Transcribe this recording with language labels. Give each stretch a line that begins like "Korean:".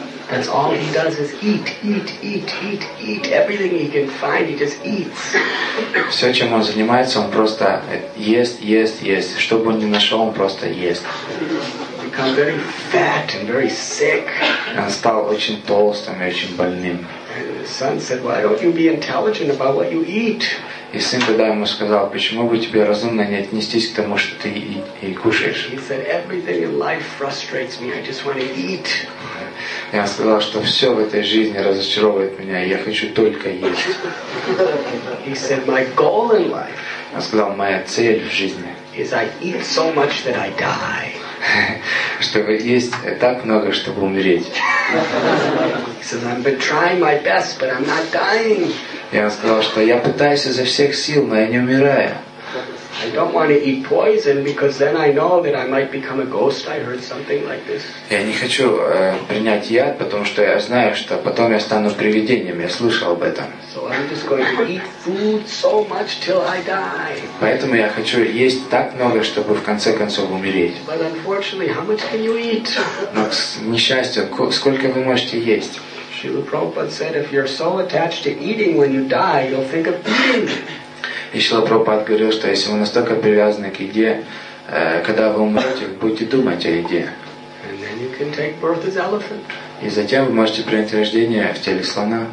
English: That's all he does is eat, everything he can find, he just eats.
Russian: Все, чем он занимается, он просто ест. Что бы он ни нашел, он просто ест.
English: Become very fat and very sick.
Russian: Он стал очень толстым и очень больным.
English: And the son said, why don't you be intelligent about what you eat?
Russian: И сын тогда ему сказал, почему бы тебе разумно не отнестись к тому, что ты и кушаешь?
English: He said, everything in life frustrates me, I just want to eat.
Russian: Я сказал, что все в этой жизни разочаровывает меня, я хочу только есть.
English: He said, my goal in life.
Russian: Я сказал, моя цель в жизни.
English: Is I eat so much that I die.
Russian: Чтобы есть так много, чтобы умереть.
English: He said, I'm been trying my best, but I'm not dying.
Russian: Я сказал, что я пытаюсь изо всех сил, но я не умираю.
English: I don't want to eat poison because then I know that I might become a ghost. I heard something like this.
Russian: Я не хочу принять яд, потому что я знаю, что потом я стану привидением. Я слышал об этом.
English: So I'm just going to eat food so much till I die.
Russian: Поэтому я хочу есть так много, чтобы в конце концов умереть.
English: But unfortunately, how much can you eat?
Russian: Но, к несчастью, сколько вы можете есть?
English: Шрила Прабхупада said, if you're so attached to eating when you die, you'll think of eating.
Russian: И Шрила Прабхупада говорил, что если вы настолько привязаны к еде, когда вы умрете, будете думать о еде.
English: And then you can take birth as elephant.
Russian: И затем вы можете принять рождение в теле слона.